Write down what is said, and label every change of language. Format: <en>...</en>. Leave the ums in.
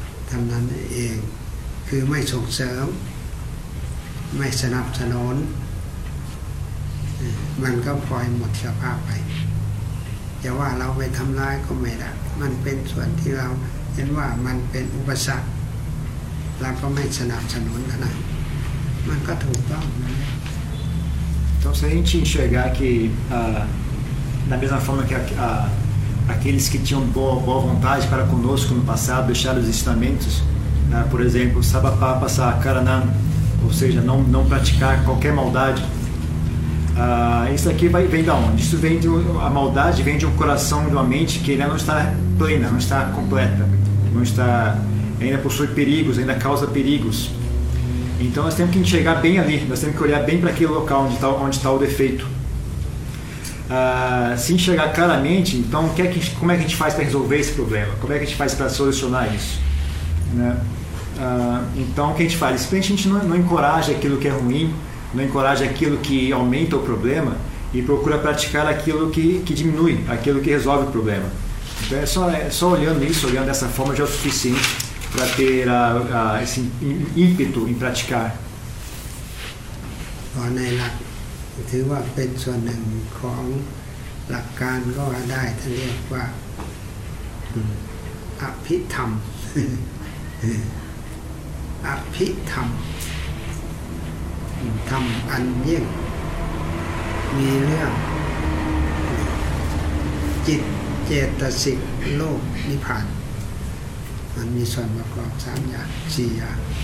<th>ทำนั้นเองคือไม่ส่งเสริม ไม่สนับสนุนเอ่อมันก็ปล่อยหมดสภาพไปจะว่าเราไปทำร้ายก็ไม่ได้มันเป็นส่วนที่เราเห็นว่ามันเป็นอุปสรรคเราก็ไม่สนับสนุนขนาด มันก็ถูกต้องนะ</th> <pt>Então, se a gente enxergar que, ah, da mesma forma que a- a- aqueles que tinham boa, boa vontade para conosco no passado deixaram os ensinamentos, ah, por exemplo,</pt> <pi>Sabapá passar Karanam,</pi> <pt>ou seja, não, não praticar qualquer maldade, ah, isso aqui vai, vem da onde? Isso vem de um- a maldade vem de um coração, de uma mente que ainda não está plena, não está completa, não está ainda possui perigos, ainda causa perigos. Então nós temos que enxergar bem ali, nós temos que olhar bem para aquele local onde está onde tá o defeito. Ah, se enxergar claramente, então o que é que, como é que a gente faz para resolver esse problema? Como é que a gente faz para solucionar isso? Né? Ah, então o que a gente faz? Simplesmente a gente não, não encoraja aquilo que é ruim, não encoraja aquilo que aumenta o problema e procura praticar aquilo que, que diminui, aquilo que resolve o problema. Então é só, é só olhando isso, olhando dessa forma já é o suficiente para ter a, a, esse ímpeto em praticar.</pt> <th>เพราะในหลักถือว่าเป็นส่วนหนึ่งของหลักการก็ว่าได้ท่านเรียกว่าอืมอภิธรรม อภิธรรมธรรมอันเยี่ยงมีเรื่อง จิตเจตสิกโลกนิพพาน มันมีส่วนประกอบสามอย่างสี่อย่าง</th>